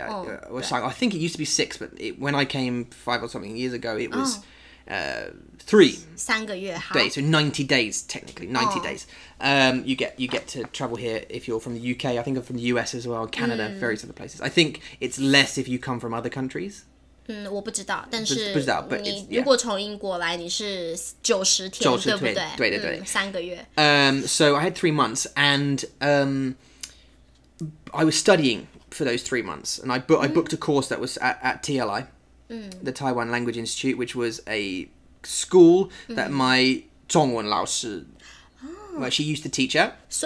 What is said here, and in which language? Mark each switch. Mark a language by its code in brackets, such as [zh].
[en] I think it used to be 6, but when I came 5 or something years ago, it was 3. [zh] 三个月, [en] 对, so 90 days, technically. 90 days. You get to travel here if you're from the UK. I think I'm from the US as well, Canada, various other places. I think it's less if you come from other countries. [zh] 我不知道，但是你如果从英国来，你是九十天，对不对？三个月。So [en] I had 3 months, and I was studying for those 3 months, and I booked a course that was at TLI, the Taiwan Language Institute, which was a school that my [zh] 中文老师, [en] well, she used to teach at.